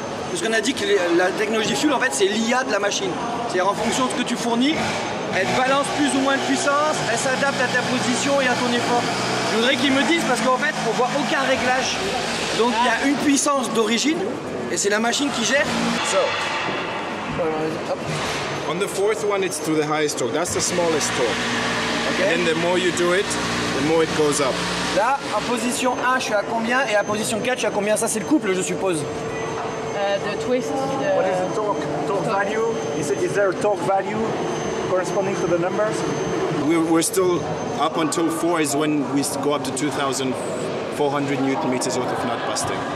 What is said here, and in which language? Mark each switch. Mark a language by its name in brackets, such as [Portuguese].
[French] Parce qu'on a dit que la technologie Fuel, en fait, c'est l'IA de la machine. C'est-à-dire, en fonction de ce que tu fournis, elle balance plus ou moins de puissance, elle s'adapte à ta position et à ton effort. Je voudrais qu'ils me disent, parce qu'en fait, on voit aucun réglage. Donc, il y a une puissance d'origine, et c'est la machine qui gère. [English] So. On the fourth one, it's to the highest torque. That's the smallest torque. And the more you do it, the more it goes up. [French] Là, en position 1, je suis à combien? Et à position 4, je suis à combien? Ça, c'est le couple, je suppose. [English] The twist. What is the torque value? Is there a torque value corresponding to the numbers? We're still up until 4 is when we go up to 2,400 newton meters worth of nut busting.